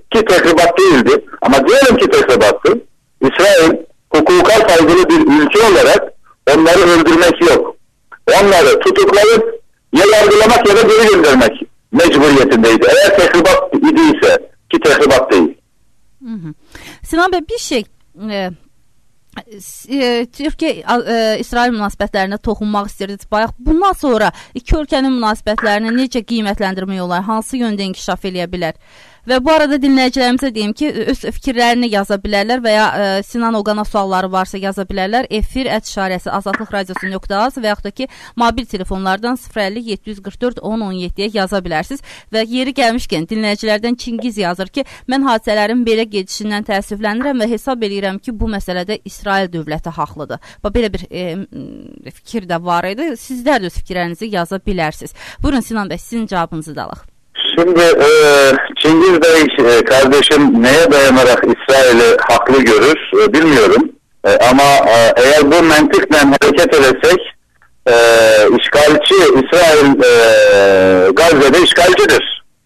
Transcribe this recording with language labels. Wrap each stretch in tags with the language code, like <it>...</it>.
<tr>Ki tahribat değildi. Ama diyelim ki tahribattı. İsrail hukuka saygılı bir ülke olarak onları öldürmek yok. Onları tutuklayıp ya yargılamak ya da geri göndermek mecburiyetindeydi. Eğer tahribat idiyse, ki tahribat değil. Sinan Bey, bir şey</tr> <az>Türkiyə İsrail münasibətlərinə toxunmaq istəyirdiniz. Bayaq bundan sonra iki ölkənin münasibətlərini necə qiymətləndirmək olar, hansı yöndə inkişaf eləyə bilər? Və bu arada dinləyicilərimizə deyim ki, öz fikirlərini yaza bilərlər və ya Sinan Oğana sualları varsa yaza bilərlər. Efir @ azadlıqradiosu.az və yaxud da ki, mobil telefonlardan 050-744-1017-yə yaza bilərsiniz. Və yeri gəlmişkən, dinləyicilərdən Çingiz yazır ki, mən hadisələrin belə gedişindən təəssüflənirəm və hesab eləyirəm ki, bu məsələdə İsrail dövləti haqlıdır. Belə bir fikir də var idi. Sizlər də öz fikirlərinizi yaza bilərsiniz. Buyurun Sinan bəy, sizin cavabınızı da alıq.</az> <tr>Şimdi Çingiz Bey kardeşim neye dayanarak İsrail'i haklı görür bilmiyorum. Ama eğer bu mantıkla hareket edersek işgalci İsrail Gazze'de işgalcidir.</tr>